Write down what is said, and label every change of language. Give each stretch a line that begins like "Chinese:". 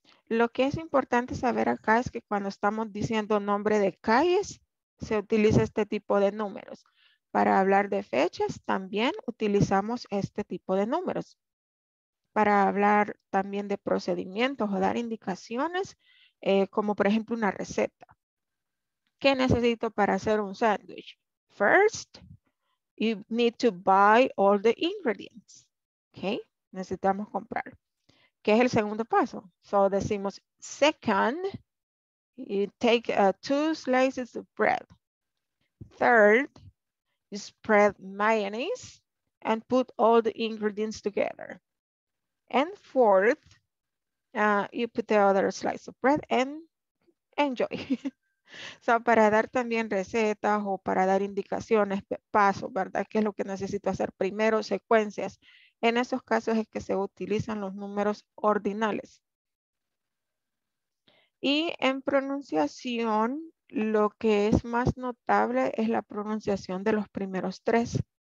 Spanish: Lo que es importante saber acá es que cuando estamos diciendo nombre de calles, se utiliza este tipo de números. Para hablar de fechas, también utilizamos este tipo de números. Para hablar también de procedimientos o dar indicaciones, como por ejemplo una receta. ¿Qué necesito para hacer un sándwich?
English: First, you need to buy all the ingredients. Okay?
Spanish: Necesitamos comprar. ¿Qué es el segundo paso? So decimos,
English: second, you take two slices of bread. Third, you spread mayonnaise and put all the ingredients together. And fourth, you put the other slice of bread and enjoy.
Spanish: So, para dar también recetas o para dar indicaciones, pasos, ¿verdad? ¿Qué es lo que necesito hacer primero? Secuencias. En esos casos es que se utilizan los números ordinales. Y en pronunciación, lo que es más notable es la pronunciación de los primeros tres.